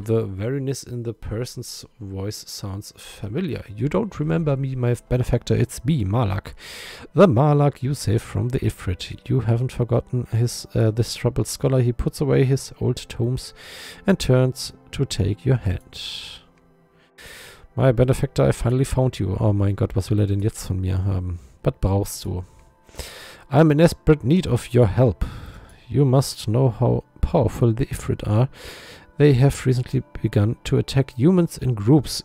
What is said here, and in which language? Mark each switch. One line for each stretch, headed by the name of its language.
English: The weariness in the person's voice sounds familiar. You don't remember me, my benefactor. It's me, Malak. The Malak you saved from the Ifrit. You haven't forgotten his this troubled scholar. He puts away his old tomes and turns to take your hand. My benefactor, I finally found you.
German: Oh mein Gott, was will er denn jetzt von mir haben? Was brauchst du?
English: I'm in desperate need of your help. You must know how powerful the Ifrit are. They have recently begun to attack humans in groups.